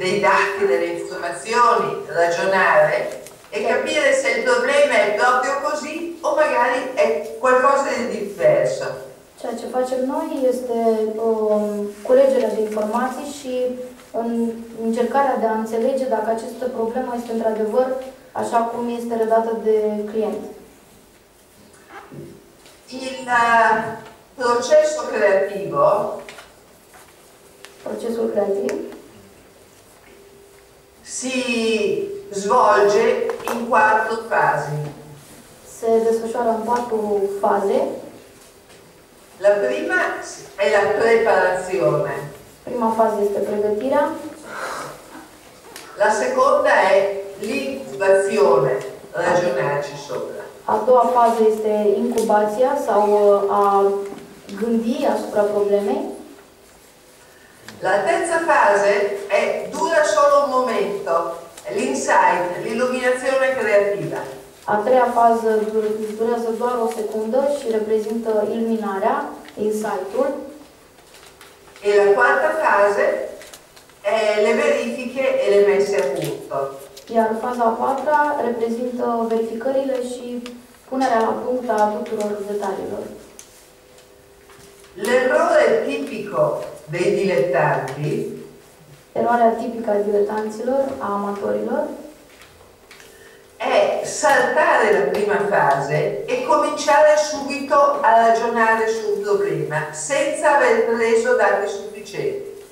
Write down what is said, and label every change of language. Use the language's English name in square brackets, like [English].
[Italian] dei dati, delle informazioni, ragionare e capire se il problema è proprio così o magari è qualcosa di diverso. [Romanian] Ceea ce facem noi este culegerea de informații și încercarea de a înțelege dacă această problemă este într-adevăr așa cum este redată de client. [Italian] Il processo creativo. [Romanian] Procesul creativ. [Italian] Si svolge in quattro fasi. [Romanian] Se desfășoară în patru faze. [Italian] La prima è la preparazione. [Romanian] Prima fase este pregătirea. [Italian] La seconda è l'incubazione, ragionarci sopra. [Romanian] A doua fază este incubația sau a gândi asupra problemei. [Italian] La terza fase è dura solo un momento, l'insight, l'illuminazione creativa. [Romanian] A treia fază durează doar o secundă și reprezintă iluminarea. Insight-ul. [Italian] E la quarta fase è le verifiche e le messe a punto. [Romanian] Iar faza a patra reprezintă verificările și punerea la punct a tuturor detaliilor. [Italian] L'errore tipico dei dilettanti. [Romanian] Eroarea tipică a dilettanților, a amatorilor. [Italian] È saltare la prima fase e cominciare subito a ragionare sul problema senza aver preso dati sufficienti.